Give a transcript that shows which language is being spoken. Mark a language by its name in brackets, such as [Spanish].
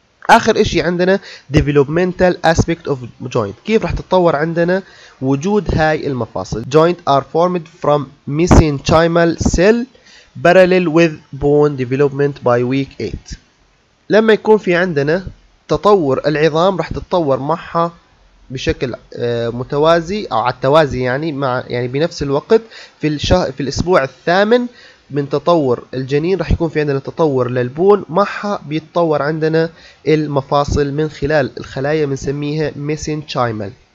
[Arabic] آخر إشي عندنا [English] developmental aspect of joint، [Arabic] كيف راح تتطور عندنا وجود هاي المفاصل. [English] joint are formed from mesenchymal cell parallel with bone development by week 8. [Arabic] لما يكون في عندنا تطور العظام راح تتطور معها بشكل متوازي أو على التوازي، يعني مع يعني بنفس الوقت في الأسبوع الثامن من تطور الجنين راح يكون في عندنا تطور للبون معها بيتطور عندنا المفاصل من خلال الخلايا بنسميها mesenchymal.